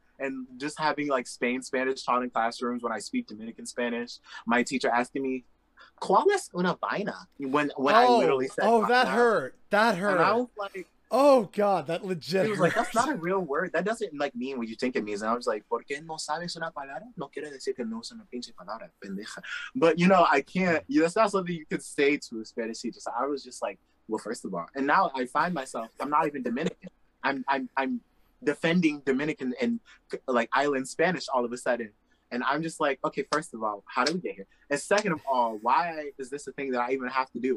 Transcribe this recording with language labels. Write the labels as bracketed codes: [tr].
[en] And just having like Spain Spanish taught in classrooms when I speak Dominican Spanish, my teacher asking me, [es] ¿Cuál es una vaina? [en] When I literally said, oh, that hurt. That hurt. And I was like, oh God, that legit hurt. He was like, that's not a real word. That doesn't like mean what you think it means. And I was like, [es] ¿Por qué no sabes una palabra? No quiere decir que no es una pinche palabra, pendeja. [en] But you know, I can't, that's not something you could say to a Spanish teacher. So I was just like, well, first of all, and now I find myself, I'm not even Dominican. I'm defending Dominican and like island Spanish all of a sudden, and I'm just like, okay, first of all, how did we get here, and second of all, why is this a thing that I even have to do?